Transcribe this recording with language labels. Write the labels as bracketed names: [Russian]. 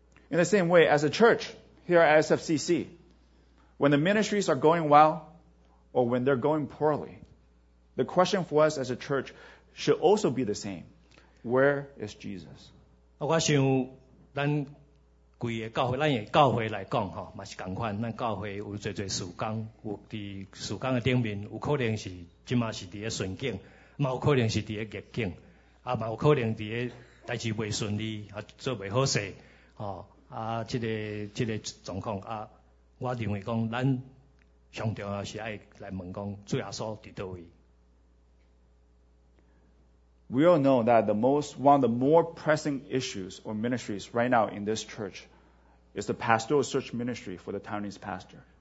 [English] In the same way, as a church here at SFCC, when the ministries are going well. Or when they're going poorly, the question for us as a church should also be the same: Where is Jesus? [Min Nan Chinese] 我想咱规个教会，咱个教会来讲，吼，嘛是同款。咱教会有侪侪事工，有伫事工个顶面，有可能是即马是伫个顺境，嘛有可能是伫个逆境，啊，嘛有可能伫个代志袂顺利，啊，做袂好势，吼，啊，即个状况，啊，我认为讲咱。上重要是爱来问讲主耶稣伫倒位。 [English] We all know that one of the more pressing issues or ministries right now in this church is the pastoral search ministry for the Taiwanese pastor.